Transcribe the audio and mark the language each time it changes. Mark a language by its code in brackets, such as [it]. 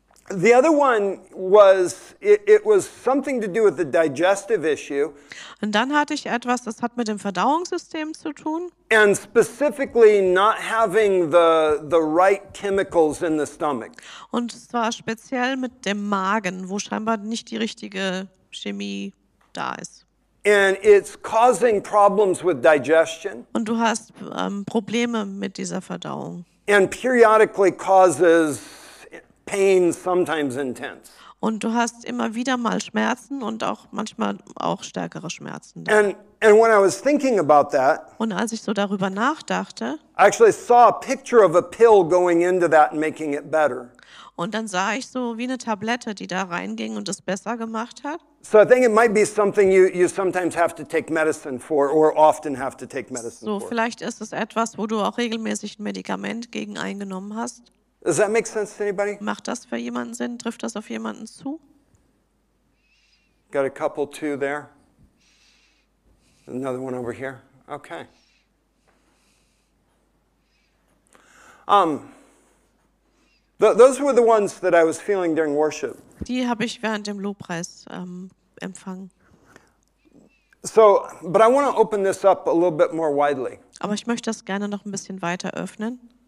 [en] The other one was it was something to do with the digestive issue. [de] Und dann hatte ich etwas, das hat mit dem Verdauungssystem zu tun. [en] And specifically not having the right chemicals in the stomach. [de] Und zwar speziell mit dem Magen, wo scheinbar nicht die richtige Chemie da ist. [en] And it's causing problems with digestion. [de] Und du hast Probleme mit dieser Verdauung. [en] And periodically causes pain, sometimes intense. [de] Und du hast immer wieder mal Schmerzen und auch manchmal auch stärkere Schmerzen. [en] And when I was thinking about that, [de] und als ich so darüber nachdachte, [en] I actually saw a picture of a pill going into that and making it better. [de] Und dann sah ich so wie eine Tablette, die da reinging und es besser gemacht hat. [en] So I think it might be something you sometimes have to take medicine for or often have to take medicine [de] so So vielleicht ist es etwas, wo du auch regelmäßig ein Medikament gegen eingenommen hast. [en] Does that make sense to anybody? [de] Macht das für jemanden Sinn? Trifft das auf jemanden zu? [en] Got a couple, two there. Another one over here. Okay. Those were the ones that I was feeling during worship. [de] Die habe ich während dem Lobpreis empfangen. [en] So, but I want to open this up a little bit more widely. [de] Aber ich möchte das gerne noch ein bisschen weiter öffnen.